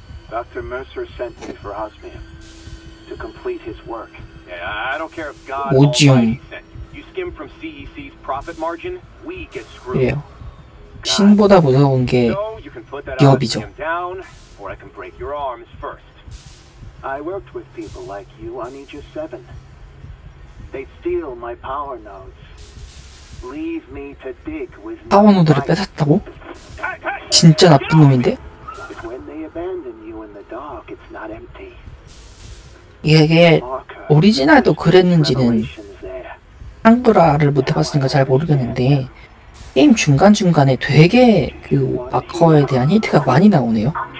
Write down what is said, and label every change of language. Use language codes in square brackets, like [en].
[en] 닥터 머서 sent me for osmium to complete his work. Yeah, I don't care if God almighty sent you. You skim from CEC's profit margin, we get screwed. [ko] 예. 신보다 무서운 게 기업이죠. [en] Or I can break your arms first. I worked with people like you on Aegis 7. They'd steal my power nodes. Leave me to dig with my power nodes를 [ko] 뺏었다고? 진짜 나쁜 놈인데? [en] When they abandon you in the dark, it's not empty. [ko] 이게 오리지널도 그랬는지는 한글화를 못해봤으니까 잘 모르겠는데 게임 중간중간에 되게 그 마커에 대한 힌트가 많이 나오네요.